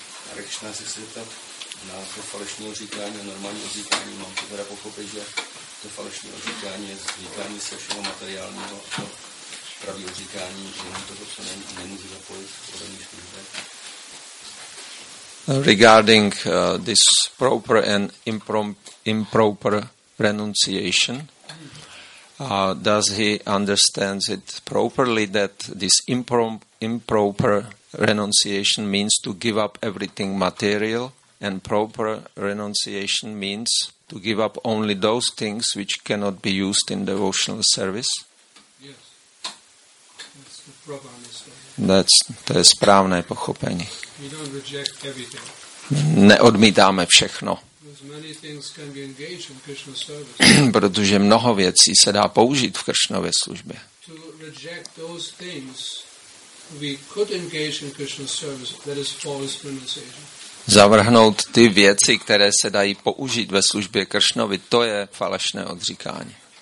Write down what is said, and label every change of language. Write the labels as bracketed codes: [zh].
[cs] Hare Krishna, si se zeptat. Na to falešné říkání a normální říkání mám to teda pochopit, že to falešné říkání je říkání se všeho materiálního a to pravý říkání, že jenom toho, co nemůže zapojit v podobných službách. [en] Regarding this proper and improper pronunciation, does he understand it properly that this improper renunciation means to give up everything material? And proper renunciation means to give up only those things which cannot be used in devotional service. Yes. That's the proper understanding. [cs] To je správné pochopení. [en] We don't reject everything. [cs] Neodmítáme všechno. [en] Because many things can be engaged in Krishna service. [cs] Protože mnoho věcí se dá použít v Kršnově službě. [en] To reject those things we could engage in Krishna service, that is false renunciation. [cs] Zavrhnout ty věci, které se dají použít ve službě Kršnovi, to je falešné odříkání.